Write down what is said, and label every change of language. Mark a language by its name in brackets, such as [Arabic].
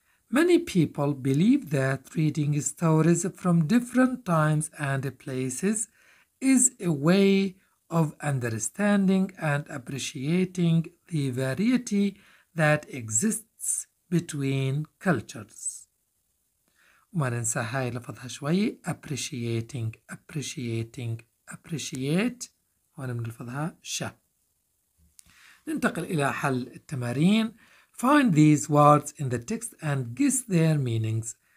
[English] Many people believe that reading stories from different times and places is a way of understanding and appreciating the variety that exists between cultures. [Arabic] ما ننسى هاي لفظها شوي appreciate هون بنلفظها ش. ننتقل إلى حل التمارين. [English] Find these words in the text and guess their meanings.